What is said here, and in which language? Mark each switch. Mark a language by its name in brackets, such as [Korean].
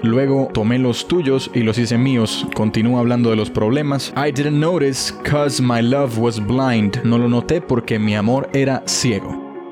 [Spanish] Luego tomé los tuyos y los hice míos. Continúa hablando de los problemas. [English] I didn't notice because my love was blind. [Spanish] No lo noté porque mi amor era ciego.